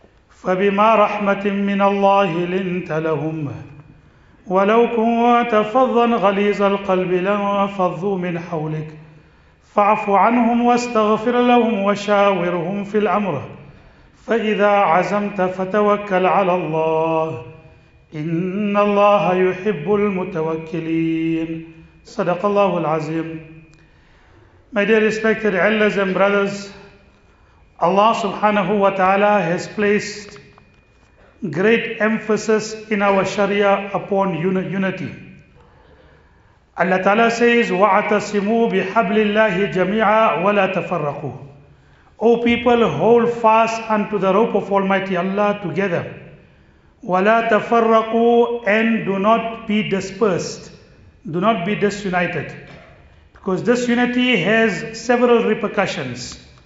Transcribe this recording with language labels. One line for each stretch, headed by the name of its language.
Arabic: فبما رحمة من الله لنت لهم ولو كنت فظا غليظ القلب لانفضوا من حولك، فاعف عنهم واستغفر لهم وشاورهم في الأمر، فإذا عزمت فتوكل على الله، إن الله يحب المتوكلين. صدق الله العظيم.
English: My dear respected elders and brothers, Allah subhanahu wa ta'ala has placed great emphasis in our sharia upon unity.
Arabic: Allah ta'ala says, وَعَتَصِمُوا بِحَبْلِ اللَّهِ جَمِيعًا وَلَا تَفَرَّقُوا.
English: O people, hold fast unto the rope of Almighty Allah together. وَلَا تَفَرَّقُوا, and do not be dispersed. Do not be disunited. Because disunity has several repercussions.